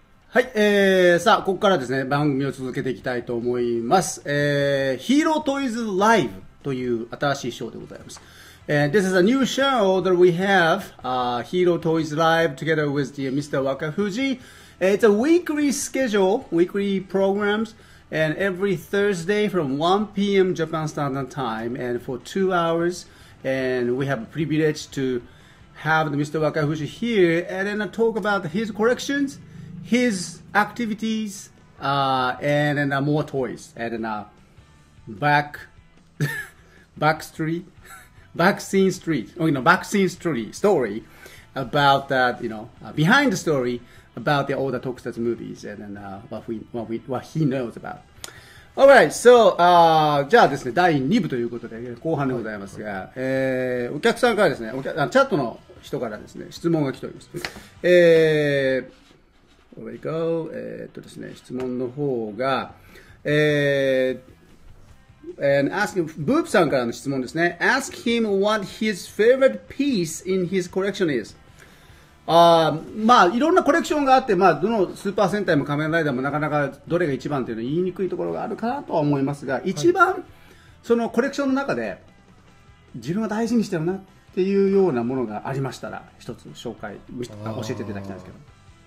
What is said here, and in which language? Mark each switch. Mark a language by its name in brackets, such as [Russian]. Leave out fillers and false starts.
[Japanese] はい、さあ、ここからですね、番組を続けていきたいと思います。ヒーロートイズライブという新しいショーでございます。 [English] This is a new show that we have, Hero Toys Live together with the Mr. Wakafuji. It's a weekly schedule, weekly programs, and every Thursday from 1 p.m. Japan Standard Time, and for 2 hours, and we have the privilege to have Mr. Wakafuji here, and then talk about his collections, his activities, and more toys, and then backstory about that, you know, behind the story about the older Tokusatsu movies and then what he knows about. All right, so, [Japanese] じゃあですね、第2部ということで、後半でございますが、お客さんからですね、チャットの人からですね、質問が来ております。 [English] Here we go. [Japanese] ですね、質問の方が、 [English] And asking Boop [Japanese] さんからの質問ですね。 [English] Ask him what his favorite piece in his collection is. [Japanese] まあいろんなコレクションがあって、まあどのスーパー戦隊も仮面ライダーもなかなかどれが一番というのは言いにくいところがあるかなとは思いますが、一番そのコレクションの中で自分が大事にしてるなっていうようなものがありましたら一つ紹介教えていただきたいんですけど。